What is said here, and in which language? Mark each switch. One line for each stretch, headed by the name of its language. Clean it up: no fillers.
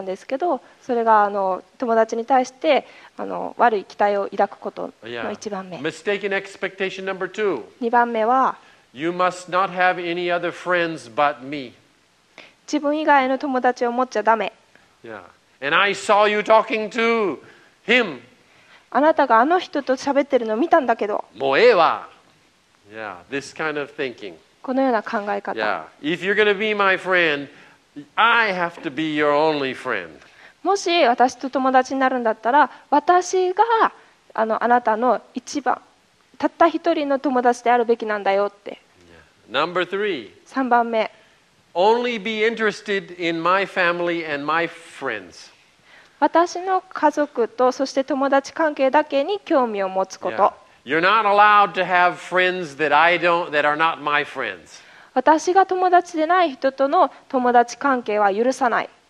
Japanese: んですけど、それが友達に対して悪い期待を抱くことの一番目。
English: Mistaken expectation number two.
Japanese: 二番目は、
English: You must not have any other friends but me.
Japanese: 自分以外の友達を持っちゃダメ。
English: Yeah, and I saw you talking to him.
Japanese: あなたがあの人と喋ってるのを見たんだけど。もうええわ。
English: Yeah, this kind of thinking.
Japanese: このような考え方。 Yeah.
English: If you're gonna be my friend, I have to be your only friend.
Japanese: もし私と友達になるんだったら、私があなたの一番、たった一人の友達であるべきなんだよって。
English: Yeah. Number three.
Japanese: 三番目。
English: Only be interested in my family and my friends.
Japanese: 私の家族とそして友達関係だけに興味を持つこと。 Yeah.
English: You're not allowed to have friends that I don't, that are not my friends.
Japanese: 私が友達でない人との友達関係は許さない。